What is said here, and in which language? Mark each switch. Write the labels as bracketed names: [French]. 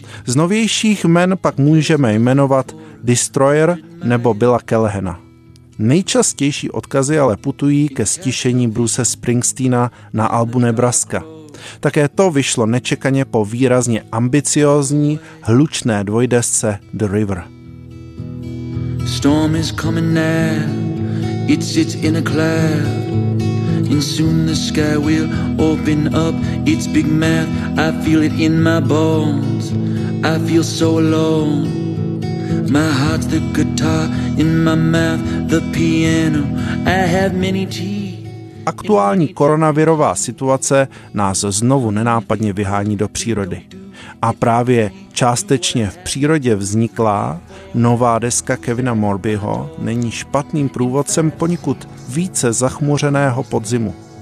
[Czech] Z novějších jmen pak můžeme jmenovat Destroyer nebo Billa Callahana. Nejčastější odkazy ale putují ke stišení Bruce Springsteena na albu Nebraska. Také to vyšlo nečekaně po výrazně ambiciózní, hlučné dvojdesce The River. [English] Storm is coming now, it sits in a cloud, and soon the sky will open up its big mouth. I feel it in my bones, I feel so alone. My heart's the guitar, in my mouth the piano, I have many teeth. [Czech] Aktuální koronavirová situace nás znovu nenápadně vyhání do přírody. A právě částečně v přírodě vznikla nová deska Kevina Morbyho není špatným průvodcem poněkud více zachmuřeného podzimu.